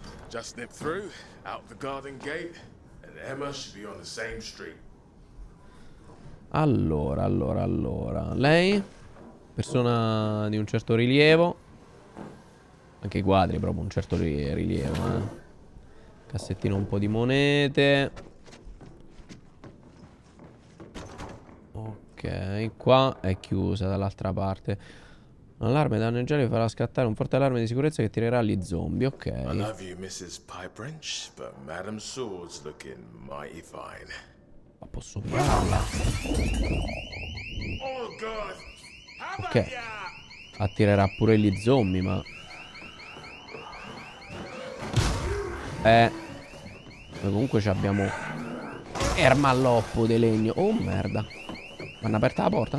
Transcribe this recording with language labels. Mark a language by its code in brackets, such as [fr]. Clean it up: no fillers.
[en] Just nip through, out the garden gate, and Emma should be on the same street. [it] Allora, allora, allora. Lei? Persona di un certo rilievo. Anche i quadri proprio un certo rilievo, eh. Cassettino, un po' di monete. Ok, qua è chiusa dall'altra parte. L'allarme danneggiare farà scattare un forte allarme di sicurezza che tirerà gli zombie, ok. [en] I love you, Mrs. Pybrinch, but Madame Sword's looking mighty fine. [it] Ma posso farla? [en] Oh god! [it] Ok, attirerà pure gli zombie, ma... Ma comunque ci abbiamo... Ermalloppo di legno. Oh, merda. Vanno aperta la porta?